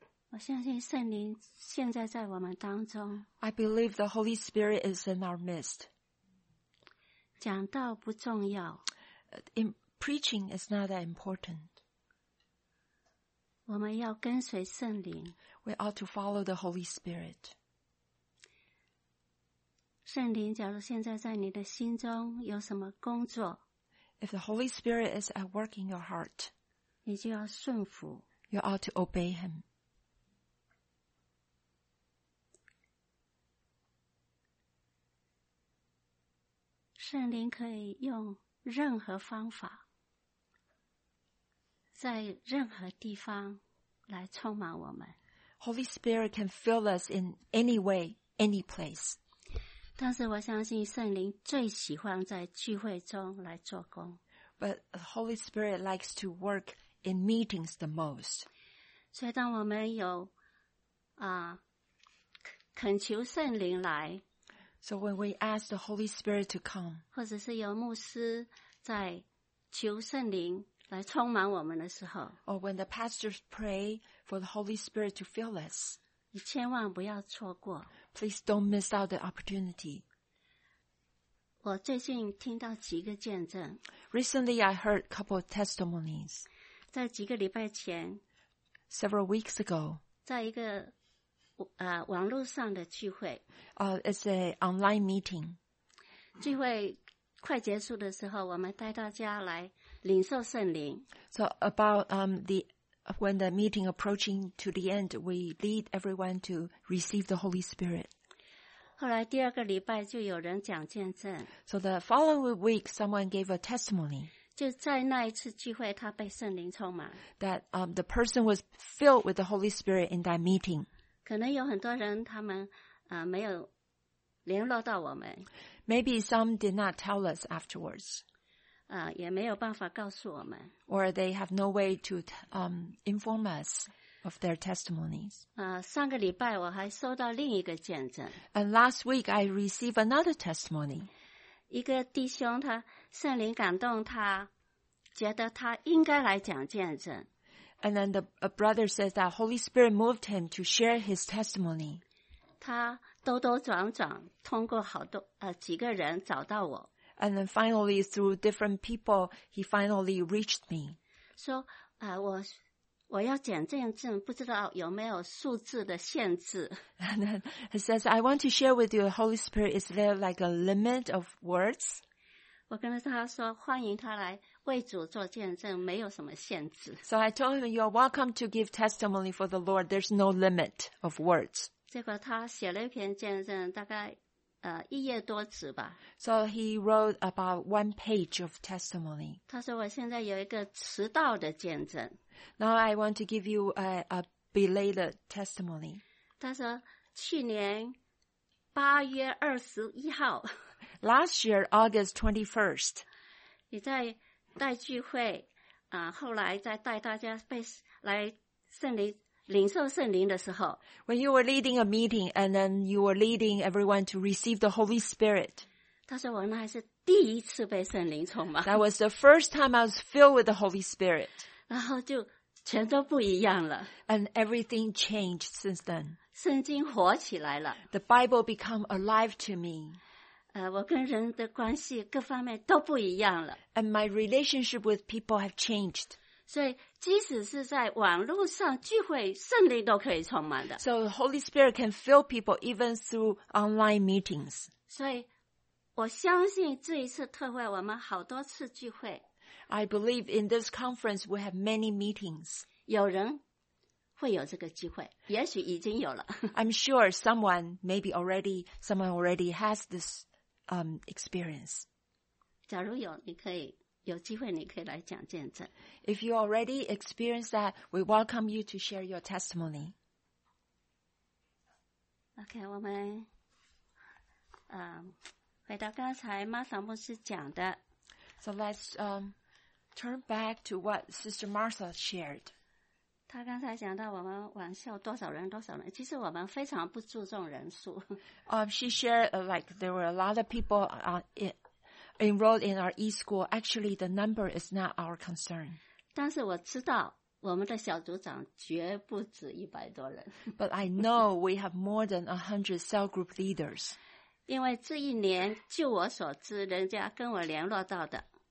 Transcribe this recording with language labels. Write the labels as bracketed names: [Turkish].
[Chinese] 我相信圣灵现在在我们当中。 [English] I believe the Holy Spirit is in our midst. [Chinese] 讲道不重要。 [English] Preaching is not that important. [Chinese] 我们要跟随圣灵。 [English] We ought to follow the Holy Spirit. [Chinese] 圣灵假如现在在你的心中有什么工作。 [English] If the Holy Spirit is at work in your heart. [Chinese] 你就要顺服。 [English] You ought to obey Him. [Chinese] 圣灵可以用任何方法在任何地方来充满我们。 [English] Holy Spirit can fill us in any way, any place. [Chinese] 但是我相信圣灵最喜欢在聚会中来做工。 [English] But Holy Spirit likes to work in meetings the most. [Chinese] 所以当我们有恳求圣灵来， [English] So when we ask the Holy Spirit to come, [Chinese] 或者是有牧师在求圣灵来充满我们的时候， [English] or when the pastors pray for the Holy Spirit to fill us, [Chinese] 你千万不要错过。 [English] Please don't miss out the opportunity. [Chinese] 我最近听到几个见证。 [English] Recently, I heard a couple of testimonies. [Chinese] 在几个礼拜前， [English] several weeks ago, [Chinese] 在一个网络上的聚会。 [English] It's an online meeting. [Chinese] 聚会快结束的时候，我们带大家来领受圣灵。 [English] So about when the meeting approaching to the end, we lead everyone to receive the Holy Spirit. [Chinese] 后来第二个礼拜就有人讲见证。 [English] So the following week, someone gave a testimony. [Chinese] 就在那一次聚会，他被圣灵充满。 [English] That the person was filled with the Holy Spirit in that meeting. [Chinese] 可能有很多人他们没有联络到我们。 [English] Maybe some did not tell us afterwards. [Chinese] 也没有办法告诉我们。 [English] Or they have no way to inform us of their testimonies. [Chinese] 上个礼拜我还收到另一个见证。 [English] And last week I received another testimony. [Chinese] 一个弟兄他圣灵感动他觉得他应该来讲见证。 [English] And then a brother says that Holy Spirit moved him to share his testimony. [Chinese] 他兜兜转转通过好多几个人找到我。 [English] And then finally through different people, he finally reached me. [Chinese] 说我要讲见证不知道有没有数字的限制。 [English] And then he says, I want to share with you, Holy Spirit, is there like a limit of words? [Chinese] 我跟他说欢迎他来为主做见证没有什么限制。 [English] So I told him, you're welcome to give testimony for the Lord. There's no limit of words. [Chinese] 结果他写了一篇见证大概一页多纸吧。 [English] So he wrote about one page of testimony. [Chinese] 他说我现在有一个迟到的见证。 [English] Now I want to give you a belated testimony. [Chinese] 他说去年八月二十一号。 [English] Last year, August 21st. [Chinese] 你在带聚会后来在带大家来圣灵领受圣灵的时候。 [English] When you were leading a meeting and then you were leading everyone to receive the Holy Spirit. [Chinese] 他说我那还是第一次被圣灵充满。 [English] That was the first time I was filled with the Holy Spirit. [Chinese] 然后就全都不一样了。 [English] And everything changed since then. [Chinese] 圣经活起来了。 [English] The Bible became alive to me. [Chinese] 我跟人的关系各方面都不一样了。 [English] And my relationship with people have changed. [Chinese] 所以即使是在网络上聚会圣灵都可以充满的。 [English] So Holy Spirit can fill people even through online meetings. [Chinese] 所以我相信这一次特会我们好多次聚会。 [English] I believe in this conference we have many meetings. [Chinese] 有人会有这个机会，也许已经有了。 [English] I'm sure someone already has this experience. [Chinese] 假如有，你可以有机会，你可以来讲见证。 [English] If you already experienced that, we welcome you to share your testimony. [Chinese] Okay, 我们回到刚才玛莎牧师讲的。 [English] So let's turn back to what Sister Martha shared. [Chinese] 他刚才讲到我们网校多少人多少人，其实我们非常不注重人数。 [English] She shared like there were a lot of people enrolled in our e-school. Actually, the number is not our concern. [Chinese] 但是我知道我们的小组长绝不止100多人。 [English] But I know we have more than 100 cell group leaders. [Chinese] 因为这一年，就我所知，人家跟我联络到的。